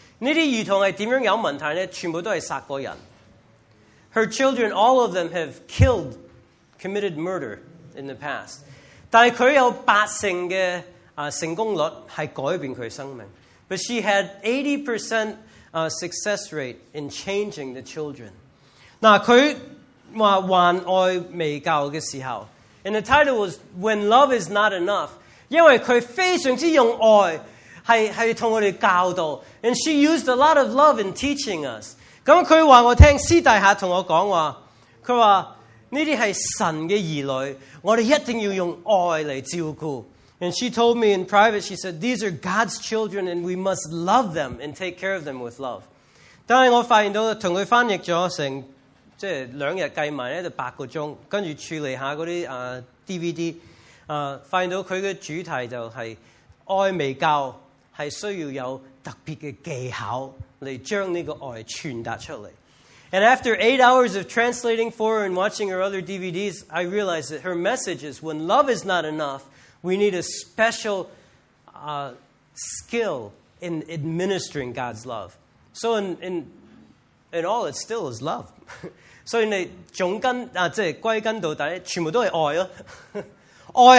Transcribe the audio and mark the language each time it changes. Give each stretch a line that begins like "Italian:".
Cantonese: 呢啲兒童係點樣有問題呢？全部都係殺過人。
English: Her children, all of them have committed murder in the past.
Cantonese: 但係佢有80%嘅成功率係改變佢生命。
English: But she had 80% success rate in changing the children.
Cantonese: 嗱，佢話還愛未夠嘅時候。
English: And the title was "When Love Is Not Enough,"
Cantonese: 因为佢非常之用爱系同我哋教导
English: ，and she used a lot of love in teaching us.
Cantonese: 咁佢话我听，私底下同我讲话，佢话呢啲系神嘅儿女，我哋一定要用爱嚟照顾。
English: And she told me in private, she said, "These are God's children, and we must love them and take care of them with love."
Cantonese: 但系我发现到同佢翻译咗成。即係兩日計埋咧，就8个钟，跟住處理下嗰啲DVD， 發現到佢嘅主題就係愛未夠，係需要有特別嘅技巧嚟將呢個愛傳達出嚟。
English: And after 8 hours of translating for her and watching her other DVDs, I realized that her message is when love is not enough, we need a special skill in administering God's love. So in all, it still is love.
Cantonese: 所以你總根啊，即係歸根到底，全部都係愛咯、啊。